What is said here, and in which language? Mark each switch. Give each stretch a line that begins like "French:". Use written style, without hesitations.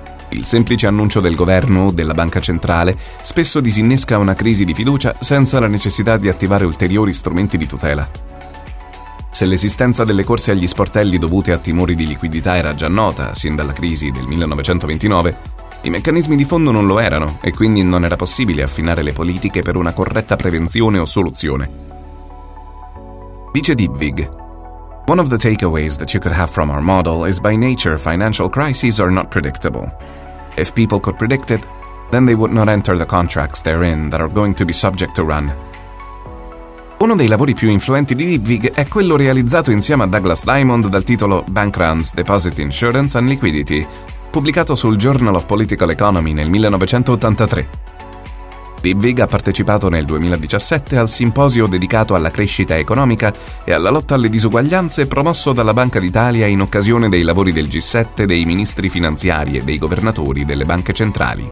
Italian: Il semplice annuncio del governo o della banca centrale spesso disinnesca una crisi di fiducia senza la necessità di attivare ulteriori strumenti di tutela. Se l'esistenza delle corse agli sportelli dovute a timori di liquidità era già nota, sin dalla crisi del 1929, i meccanismi di fondo non lo erano e quindi non era possibile affinare le politiche per una corretta prevenzione o soluzione. Dice Dibwig:
English: One of the takeaways that you could have from our model is by nature financial crises are not predictable. If people could predict it, then they would not enter the contracts therein that are going to be subject to run.
Italian: Uno dei lavori più influenti di Dibwig è quello realizzato insieme a Douglas Diamond dal titolo Bank Runs, Deposit Insurance and Liquidity, pubblicato sul Journal of Political Economy nel 1983. Dibwig ha partecipato nel 2017 al simposio dedicato alla crescita economica e alla lotta alle disuguaglianze promosso dalla Banca d'Italia in occasione dei lavori del G7 dei ministri finanziari e dei governatori delle banche centrali.